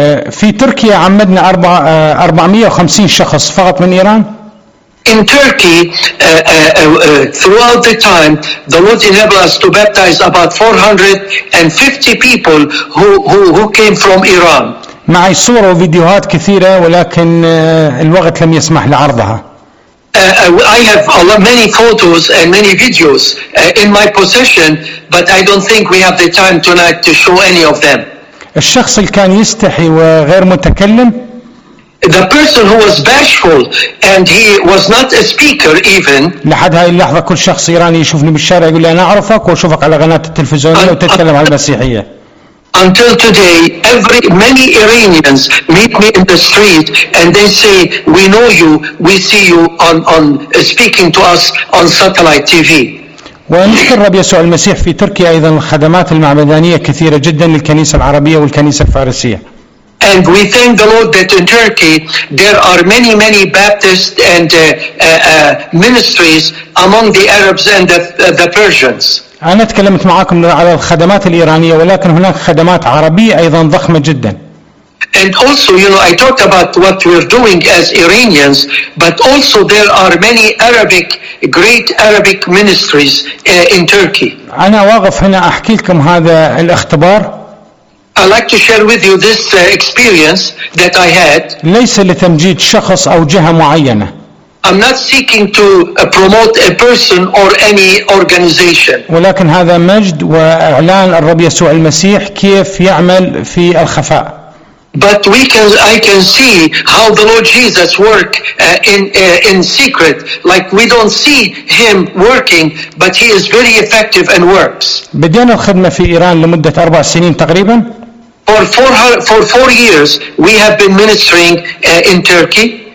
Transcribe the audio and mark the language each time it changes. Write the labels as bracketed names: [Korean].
[Arabic] في تركيا عمدنا 450 شخص فقط من إيران. [English] In Turkey, throughout the time, the Lord enabled us to baptize about 450 people who came from Iran. [Arabic] معي صور وفيديوهات كثيرة ولكن الوقت لم يسمح لعرضها. [English] I have a lot, many photos and many videos in my possession, but I don't think we have the time tonight to show any of them. [Arabic] الشخص اللي كان يستحي وغير متكلم. [English] The person who was bashful and he was not a speaker even. [Arabic] لحد هاي اللحظة كل شخص إيراني يشوفني بالشارع يقول لي أنا أعرفك وأشوفك على قناة التلفزيون وتتكلم عن المسيحية. [English] Until today, many Iranians meet me in the street and they say, "We know you. We see you on speaking to us on satellite TV." [Arabic] ونشكر رب يسوع المسيح في تركيا أيضا الخدمات المعمدانية كثيرة جدا للكنيسة العربية والكنيسة الفارسية. [English] And we thank the Lord that in Turkey there are many Baptist and ministries among the Arabs and the Persians. [Arabic] أنا تكلمت معكم على الخدمات الإيرانية ولكن هناك خدمات عربية أيضا ضخمة جدا. [English] And also, you know, I talked about what we're doing as Iranians, but also there are many Arabic, great Arabic ministries in Turkey. [Arabic] أنا واقف هنا أحكي لكم هذا الاختبار. [English] I'd like to share with you this experience that I had. [Arabic] ليس لتمجيد شخص أو جهة معينة. [English] I'm not seeking to promote a person or any organization. [Arabic] ولكن هذا مجد وإعلان الرب يسوع المسيح كيف يعمل في الخفاء. [English] But I can see how the Lord Jesus worked in secret. Like we don't see him working, but he is very effective and works. [Arabic] بدينا الخدمة في إيران لمدة 4 سنين تقريبا. [English] For four years, we have been ministering in Turkey.